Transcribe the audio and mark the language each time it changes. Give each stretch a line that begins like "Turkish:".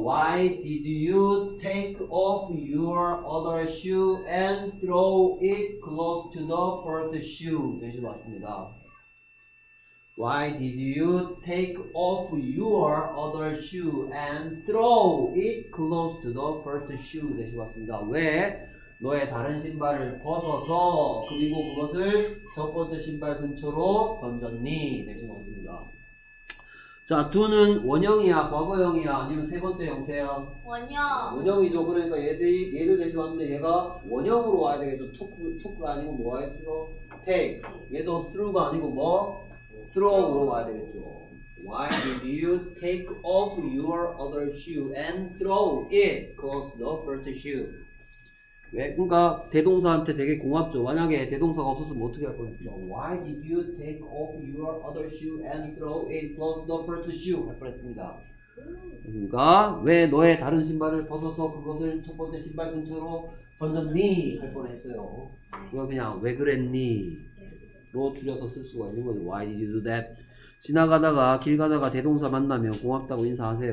English: why did you take off your other shoe and throw it close to the first shoe?
Korean: 대신 왔습니다.
English: why did you take off your other shoe and throw it close to the first shoe?
Korean: 대신 왔습니다. 왜? 너의 다른 신발을 벗어서 그리고 그것을 첫 번째 신발 근처로 던졌니? 대신 왔습니다. 자, do는 원형이야? 과거형이야? 아니면 세 번째 형태야? 원형. 원형이죠. 그러니까 얘를 대신 왔는데 얘가 원형으로 와야 되겠죠. took 아니고 뭐 와야겠어? take. 얘도 through가 아니고 뭐? throw로 와야 되겠죠.
English: why did you take off your other shoe and throw it close the first shoe?
Korean: 왜? 그러니까 대동사한테 되게 고맙죠. 만약에 대동사가 없었으면 어떻게 할 뻔했어.
English: Why did you take off your other shoe and throw it close the first shoe?
Korean: 할 뻔했습니다. 그렇습니까? 왜 너의 다른 신발을 벗어서 그것을 첫 번째 신발 근처로 던졌니? 할 뻔했어요. 그걸 그냥 왜 그랬니?로 줄여서 쓸 수가 있는 거죠.
English: Why did you do that?
Korean: 지나가다가 길 가다가 대동사 만나면 고맙다고 인사하세요.